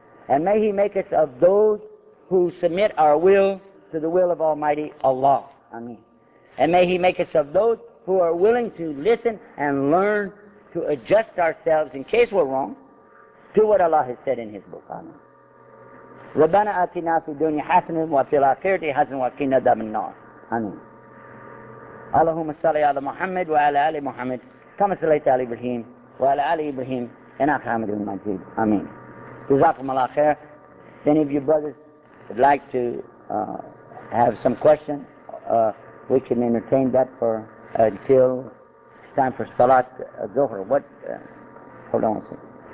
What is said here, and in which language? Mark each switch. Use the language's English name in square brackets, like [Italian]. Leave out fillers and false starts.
[English] And may He make us of those who submit our will to the will of Almighty Allah. Ameen. And may He make us of those who are willing to listen and learn to adjust ourselves in case we're wrong to what Allah has said in His book. Ameen. [Arabic] ربنا آتنا في الدنيا حسنة وفي الآخرة حسنة وقنا عذاب النار. آمين. اللهم صل على محمد وعلى آل محمد كما صليت على إبراهيم وعلى آل إبراهيم إنك حميد مجيد. آمين. جزاكم الله خير. [English] If any of you brothers would like to have some question, we can entertain that for until it's time for Salat Zuhr. What? Hold on a second.